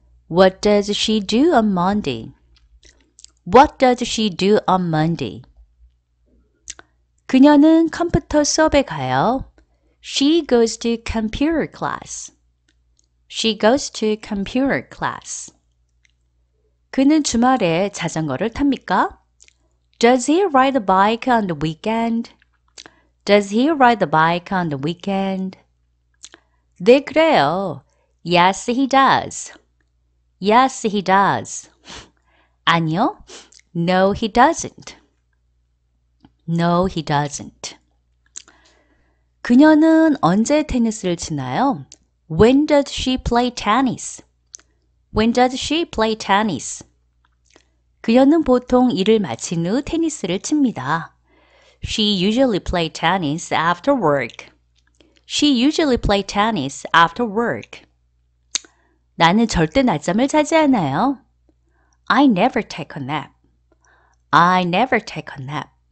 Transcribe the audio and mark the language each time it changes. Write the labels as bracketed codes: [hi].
[en] What does she do on Monday? What does she do on Monday? [ko] 그녀는 컴퓨터 수업에 가요. [en] She goes to computer class. She goes to computer class. [ko] 그는 주말에 자전거를 탑니까? [en] Does he ride a bike on the weekend? Does he ride a bike on the weekend? [ko] 네, 그래요. [en] Yes, he does. Yes, he does. [ko] 아니요. [en] No, he doesn't. No, he doesn't. [ko] 그녀는 언제 테니스를 치나요? [en] When does she play tennis? When does she play tennis? [ko] 그녀는 보통 일을 마친 후 테니스를 칩니다. [en] She usually play tennis after work. She usually play tennis after work. [ko] 나는 절대 낮잠을 자지 않아요. [en] I never take a nap. I never take a nap.